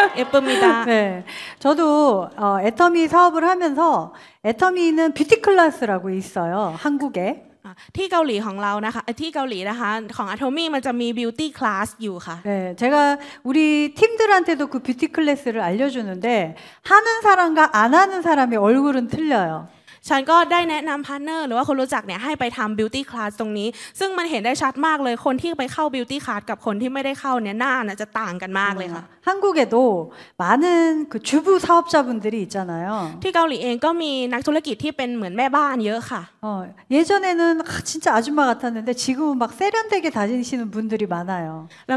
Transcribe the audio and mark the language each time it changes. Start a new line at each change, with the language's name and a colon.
Korean: 오늘 제 메이크업 어떤가요? 예쁩니다. 네, 저도 애터미 사업을 하면서 애터미는 뷰티 클래스라고 있어요. 한국에.
Thai: ที่เกาหลีของเรานะคะที่เกาหลีนะคะของอาโทมี่มันจะมีบิวตี้คลาสอยู่ค่ะ
Korean: 네, 제가 우리 팀들한테도 그 뷰티 클래스를 알려주는데 하는 사람과 안 하는 사람의 얼굴은 틀려요.
Thai: ฉันก็ได้แนะนำพาร์ทเนอร์หรือว่าคนรู้จักเนี่ยให้ไปทำบิวตี้คลาสตรงนี้ซึ่งมันเห็นได้ชัดมากเลยคนที่ไปเข้าบิวตี้คลาสกับคนที่ไม่ได้เข้าเนี่ยหน้าจะต่างกันมากเลยค่ะ
Korean: 한국에도 많은 그 주부 사업자분들이 있잖아요.
Thai: ที่เกาหลีเองก็มีนักธุรกิจที่เป็นเหมือนแม่บ้านเยอะค่ะ
Korean: 예전에는 진짜 아줌마 같았는데 지금은 막 세련되게 다니시는 분들이 많아요.